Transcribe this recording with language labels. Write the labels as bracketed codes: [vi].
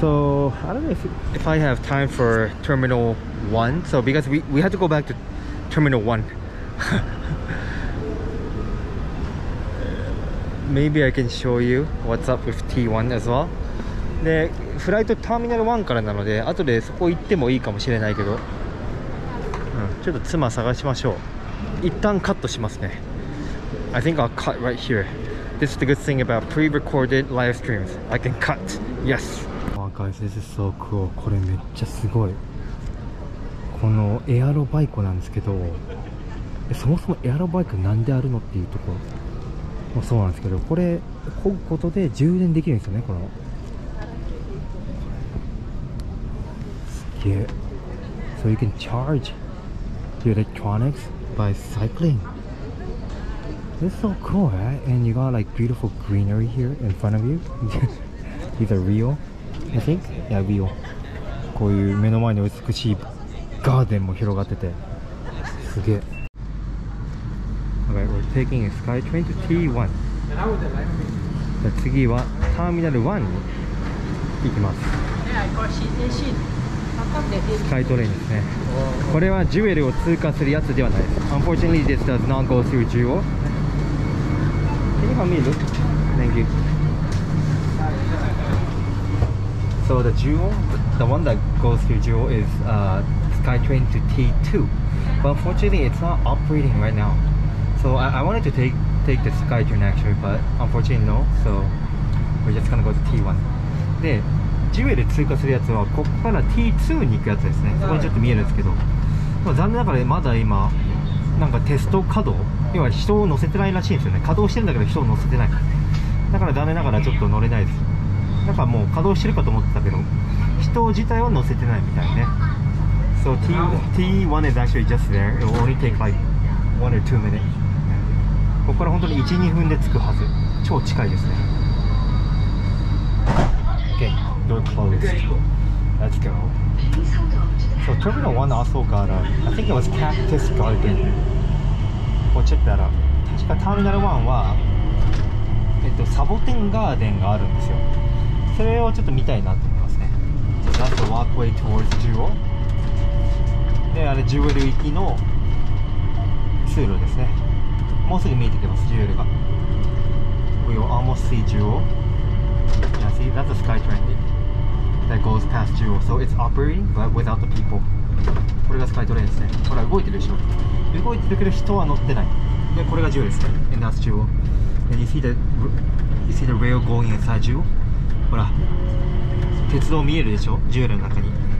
[en] So I don't know if I have time for terminal. One, so because we had to go back to terminal one. Maybe I can show you what's up with T1 as well. [ja] で、フライトターミナル1からなので、後でそこ行ってもいいかもしれないけど、ちょっと妻探しましょう。一旦カットしますね。 [en] I think I'll cut right here. This is the good thing about pre-recorded live streams. I can cut. Yes. Wow, guys, this is so cool. [ja] これめっちゃすごい。このエアロバイクなんですけど、そもそもエアロバイクなんであるのっていうところもそうなんですけど、これ漕ぐことで充電できるんですよね。このすげえ。 [en] So you can charge your electronics by cycling. This is so cool, right? And you got like beautiful greenery here in front of you. These are real, I think. Yeah, real. [ja] こういう目の前に美しいガーデンも広がってて、すげえ。 [en] Okay, we're taking a sky train to T1. [ja] じゃあ次はターミナル1に行きます。スカイトレインですね。これはジュエルを通過するやつではないです。 [en] Unfortunately, this does not go through Jewel. Can you help me look? Thank you. So the Jewel, the one that goes through Jewel is, SkyTrain to T2, but unfortunately it's not operating right now. So I wanted to take the SkyTrain actually, but unfortunately no. So we're just gonna go to T1. [ja] で、ジュエル通過するやつはここから T2 に行くやつですね。そこにちょっと見えるんですけど、まあ、残念ながらまだ今なんかテスト稼働、要は人を乗せてないらしいんですよね。稼働してるんだけど人を乗せてない。だから残念ながらちょっと乗れないです。なんかもう稼働してるかと思ってたけど、人自体は乗せてないみたいね。 [en] So T1 is actually just there. It will only take like 1 or 2 minutes. [ja] ここから本当に 1-2 分で着くはず。超近いですね。 [en] Okay, door closed. Let's go. So Terminal 1 also got a, I think it was Cactus Garden. Go check that out. [ja] 確か Terminal 1は、サボテンガーデンがあるんですよ。それをちょっと見たいなと思いますね。 [en] So that's the walkway towards Jewel. [ja] で、あれジュエル行きの通路ですね。もうすぐ見えてきます、ジュエルが。 [en] We will almost see Jewel. Yeah, see, that's a sky train that goes past Jewel. So it's operating, but without the people. [ja] これがスカイトレインですね。ほら、動いてるでしょ。動いてるけど人は乗ってない。で、これがジュエルですね。 [en] And that's Jewel. And you see the rail going inside Jewel? [ja] ほら、鉄道見えるでしょ、ジュエルの中に。